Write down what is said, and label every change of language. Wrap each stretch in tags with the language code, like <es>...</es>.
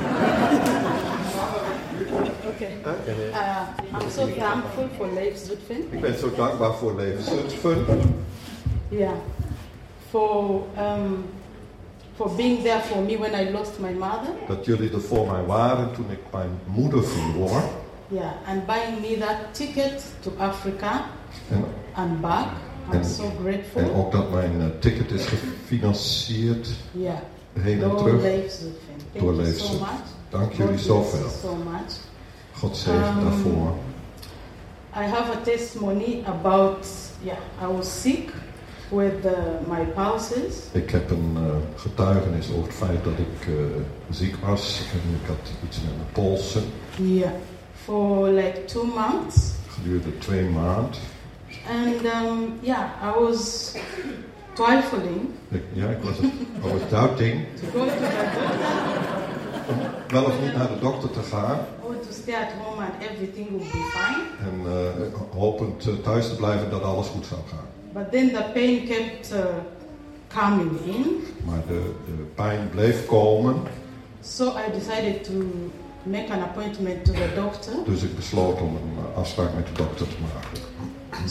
<nl>Ik ben zo dankbaar voor Leif Zutphen.</nl> <en>Ja, for being there for me when I lost my mother.</en> <nl>Dat jullie er voor mij waren toen ik mijn moeder verloor.</nl> <en>Ja, and buying me that ticket to Africa and back. I'm so grateful.</en> <nl>En ook dat mijn ticket is gefinancierd. Ja. Yeah. Heen en terug. Doorleef ze. Dank jullie zoveel. God zegen daarvoor.</nl> <en>I have a testimony about, yeah, I was sick with my pulses.</en> <nl>Ik heb een getuigenis over het feit dat ik ziek was en ik had iets met mijn polsen.</nl> <en>Ja, yeah, for like 2 months.</en> <nl>Geduurde 2 maanden.</nl> <en>And yeah, I was twijfeling. Ja, I was doubting. To go to the doctor.</en> <nl>Om wel of niet naar de dokter te gaan.</nl> <en>Oh, to stay at home and everything will be fine.</en> <nl>En hopend thuis te blijven dat alles goed zou gaan.</nl> <en>But then the pain kept coming in.</en> <nl>Maar de pijn bleef komen.</nl> <en>So I decided to make an appointment to the doctor.</en> <nl>Dus ik besloot om een afspraak met de dokter te maken.</nl>